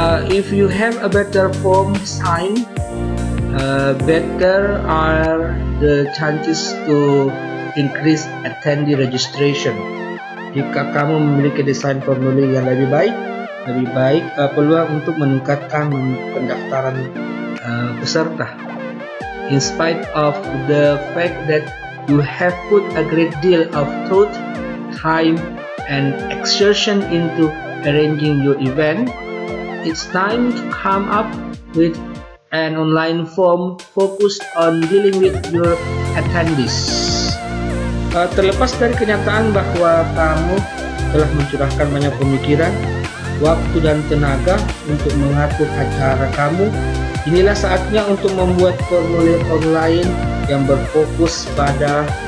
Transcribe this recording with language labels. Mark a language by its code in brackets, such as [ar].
[en] If you have a better form design, better are the chances to increase attendee registration. [id] Jika kamu memiliki desain formulir yang lebih baik peluang untuk meningkatkan pendaftaran peserta. [en] In spite of the fact that you have put a great deal of thought, time, and exertion into arranging your event, it's time to come up with an online form focused on dealing with your attendees. [id] Terlepas dari kenyataan bahwa kamu telah mencurahkan banyak pemikiran, waktu dan tenaga untuk mengatur acara kamu, inilah saatnya untuk membuat formulir online yang berfokus pada